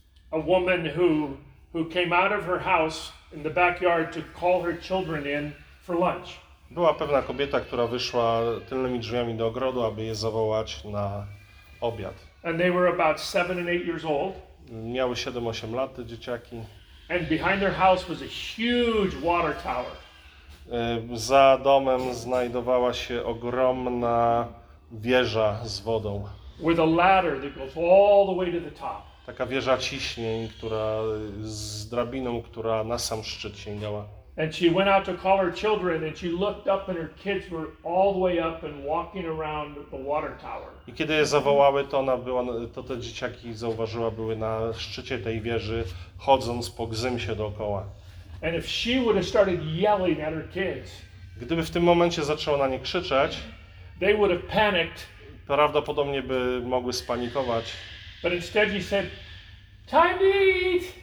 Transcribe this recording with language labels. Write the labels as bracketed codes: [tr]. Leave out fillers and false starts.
[en] There was a woman who came out of her house in the backyard to call her children in for lunch. [pl] Była pewna kobieta, która wyszła tylnymi drzwiami do ogrodu, aby je zawołać na obiad. [en] And they were about 7 and 8 years old. [pl] Miały 7-8 lat te dzieciaki. [en] And behind their house was a huge water tower. [pl] Za domem znajdowała się ogromna wieża z wodą. [en] With a ladder that goes all the way to the top. [pl] Taka wieża ciśnień, która z drabiną, która na sam szczyt sięgała. [en] And she went out to call her children and she looked up and her kids were all the way up and walking around the water tower. [pl] I kiedy je zawołały, to ona była, to te dzieciaki zauważyła, były na szczycie tej wieży, chodząc po gzymsie dookoła. [en] And if she would have started yelling at her kids, [pl] gdyby w tym momencie zaczęła na nie krzyczeć, [en] they would have panicked. [pl] Prawdopodobnie by mogły spanikować. [en] But instead she said, "Time to eat."